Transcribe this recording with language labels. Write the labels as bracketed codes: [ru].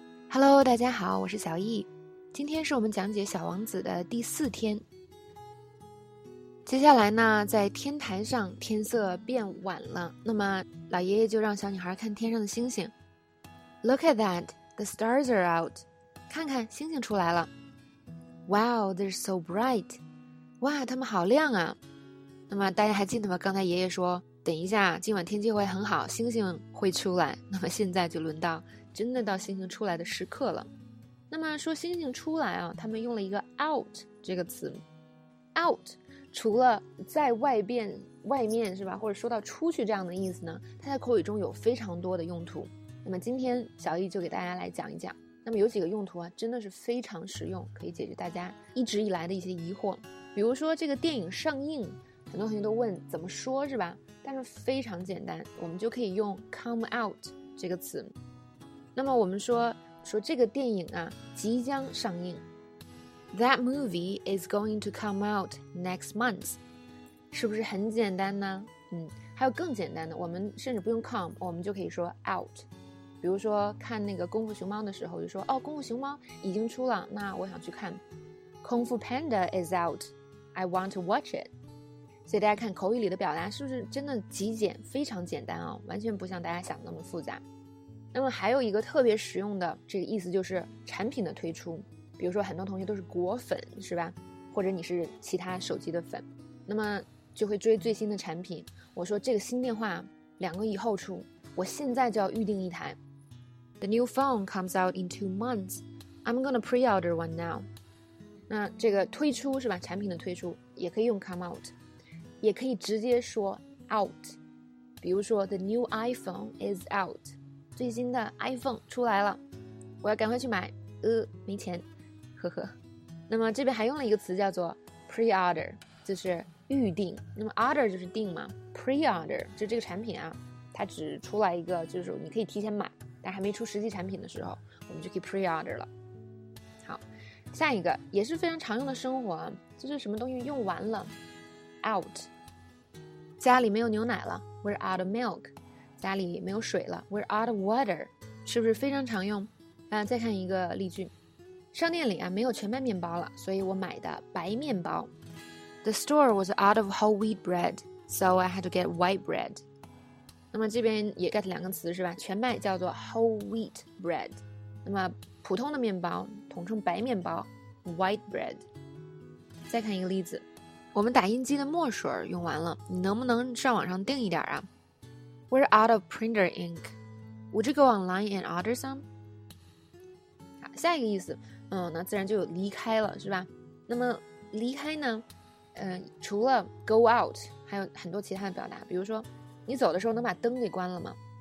[zh] Hello， 大家好，我是小易。今天是我们讲解《小王子》的第四天。接下来呢，在天台上天色变晚了，那么老爷爷就让小女孩看天上的星星。 [en] Look at that, the stars are out. [zh] 看看，星星出来了。 [en] Wow, they're so bright. [zh] 哇，它们好亮啊。那么大家还记得吗？刚才爷爷说，等一下，今晚天气会很好，星星会出来。那么现在就轮到真的到星星出来的时刻了。那么说星星出来啊，他们用了一个 out 这个词。 out 除了在外面是吧，或者说到出去这样的意思呢，它在口语中有非常多的用途。那么今天小易就给大家来讲一讲，那么有几个用途啊，真的是非常实用，可以解决大家一直以来的一些疑惑。比如说这个电影上映，很多同学都问怎么说是吧，但是非常简单，我们就可以用 come out 这个词。那么我们说这个电影啊即将上映。 [en] That movie is going to come out next month. [zh] 是不是很简单呢？还有更简单的，我们甚至不用 come， 我们就可以说 out。比如说看那个功夫熊猫的时候就说，哦，功夫熊猫已经出了，那我想去看。 [en] Kung Fu Panda is out. I want to watch it. [zh] 所以大家看口语里的表达是不是真的极简，非常简单哦，完全不像大家想的那么复杂。那么还有一个特别实用的这个意思就是产品的推出，比如说很多同学都是果粉是吧，或者你是其他手机的粉，那么就会追最新的产品。我说这个新电话两个以后出，我现在就要预定一台。 [en] The new phone comes out in 2 months. I'm gonna pre-order one now. [zh] 那这个推出是吧，产品的推出也可以用 come out， 也可以直接说 out。比如说 [en] The new iPhone is out. [zh] 最新的 iPhone 出来了，我要赶快去买，没钱，呵呵。那么这边还用了一个词叫做 pre-order， 就是预定。那么 order 就是定嘛， pre-order 就是这个产品啊，它只出来一个，就是你可以提前买，但还没出实际产品的时候，我们就可以 pre-order 了。好，下一个也是非常常用的生活，就是什么东西用完了， out。家里没有牛奶了， [en] we're out of milk。 [zh] 家里没有水了， [en] we're out of water， [zh] 是不是非常常用？再看一个例句，商店里啊没有全麦面包了，所以我买的白面包。 [en] The store was out of whole wheat bread, so I had to get white bread. [zh] 那么这边也 get 两个词是吧，全麦叫做 whole wheat bread， 那么普通的面包统称白面包， white bread。再看一个例子，我们打印机的墨水用完了，你能不能上网上订一点啊？ [en] We're out of printer ink. Would you go online and order some? [zh] 好，下一个意思，那自然就有离开了，是吧？那么离开呢？除了 go out， 还有很多其他的表达，比如说，你走的时候能把灯给关了吗？